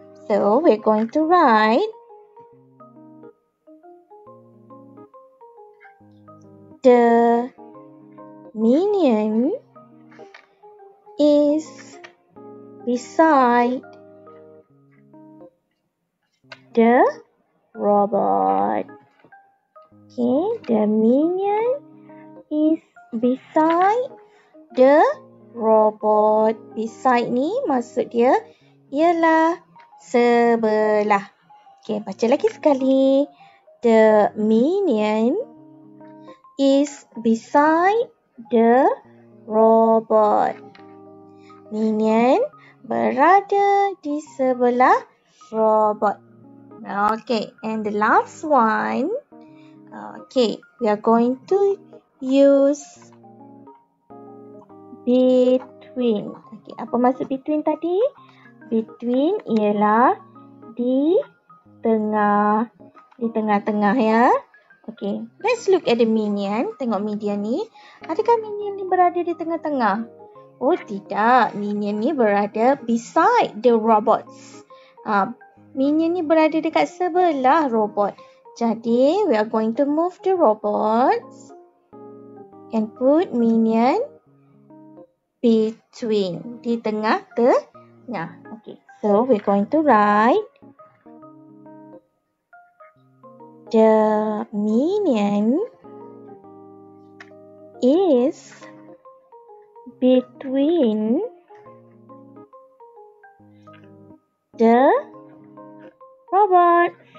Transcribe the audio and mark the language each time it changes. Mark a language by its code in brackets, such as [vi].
[en] So, we're going to write the minion is beside the robot. Okay, the minion is beside the robot. [ms] Beside ni maksud dia ialah sebelah. Okay, baca lagi sekali. [en] The minion is beside the robot. [ms] Minion berada di sebelah robot. [en] Okay, and the last one. Okay, we are going to use between. [ms] Okay, apa maksud between tadi? Between ialah di tengah. Di tengah-tengah ya. [en] Okay, let's look at the minion. [ms] Tengok media ni. Adakah minion ni berada di tengah-tengah? Oh, tidak. Minion ni berada [en] beside the robots. [ms] Minion ni berada dekat sebelah robot. Jadi, [en] we are going to move the robots and put minion between. [ms] Di tengah-tengah. [en] Okay, so we're going to write the minion is between the robots.